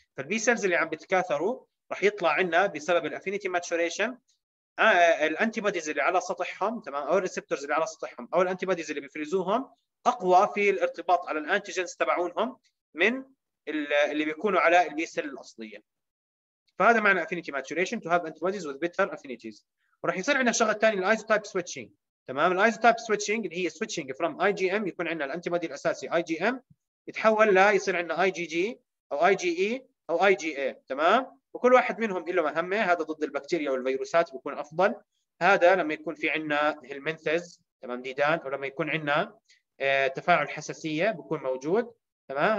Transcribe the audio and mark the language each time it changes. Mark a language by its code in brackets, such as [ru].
[ar] فالبي سيلز اللي عم بتكاثروا راح يطلع عندنا بسبب الافينيتي ماتشوريشن الانتي بوديز اللي على سطحهم تمام، او الريسبتورز اللي على سطحهم او الانتي بوديز اللي بيفرزوهم اقوى في الارتباط على الانتيجنز تبعونهم من اللي بيكونوا على البي سيل الاصليه. فهذا معنى [en] affinity maturation to have antibodies with better affinities. [ar] وراح يصير عندنا شغله ثانيه الايزوتايب سويتشنج تمام. الايزوتايب سويتشنج اللي هي سويتشنج فروم اي جي ام، يكون عندنا الانتيبادي الاساسي اي جي ام يتحول لا يصير عندنا اي جي جي او اي جي اي او اي جي اي تمام، وكل واحد منهم له مهمه. هذا ضد البكتيريا والفيروسات بيكون افضل، هذا لما يكون في عندنا هيلمنثز تمام ديدان، ولما يكون عندنا تفاعل حساسيه بيكون موجود تمام.